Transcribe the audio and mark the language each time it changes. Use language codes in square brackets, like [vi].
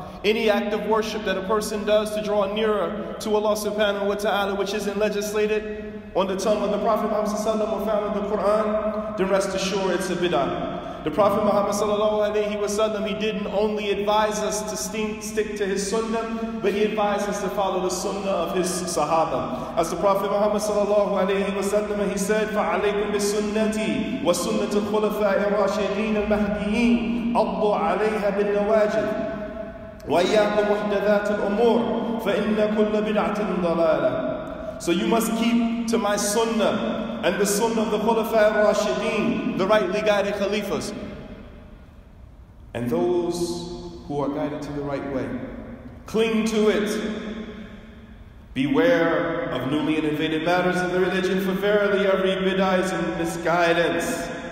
[en] Any act of worship that a person does to draw nearer to Allah subhanahu wa ta'ala, which isn't legislated on the tongue of the Prophet Muhammad sallallahu alayhi wa sallam or found in the Quran, then rest assured it's a bid'ah. The Prophet Muhammad sallallahu alayhi wa sallam, he didn't only advise us to stick to his sunnah, but he advised us to follow the sunnah of his sahaba. As the Prophet Muhammad sallallahu alayhi wa sallam, he said, [ar] فَعَلَيْكُمْ بِسُنَّتِي وَسُنَّةِ الْخُلَفَاءِ الرَّاشِدِينَ الْمَهْدِيِينَ أَضُّوا عَلَيْهَا بِالنَّوَاجِدِ وَإِيَّاكُمْ مُحْدَثَاتِ الْأُمُورِ فَإِنَّ كُلَّ بِدْعَةٍ ضَلَالَةٍ. [en] So you must keep to my sunnah and the sunnah of the Khulafa'i Rashideen, the rightly guided Khalifas, and those who are guided to the right way. Cling to it. Beware of newly innovated matters in the religion, for verily every bid'ah is a misguidance.